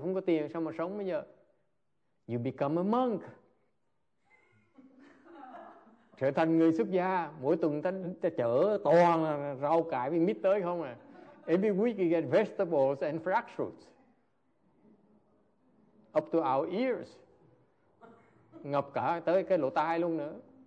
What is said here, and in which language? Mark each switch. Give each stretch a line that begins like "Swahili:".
Vietnamese: Không có tiền, sao mà sống bây giờ?
English: You become a monk.
Vietnamese: Trở thành người xuất gia, mỗi tuần ta chở toàn rau cải với mít tới không à.
English: Every week you get vegetables and fresh fruits. Up to our ears.
Vietnamese: Ngập cả tới cái lỗ tai luôn nữa.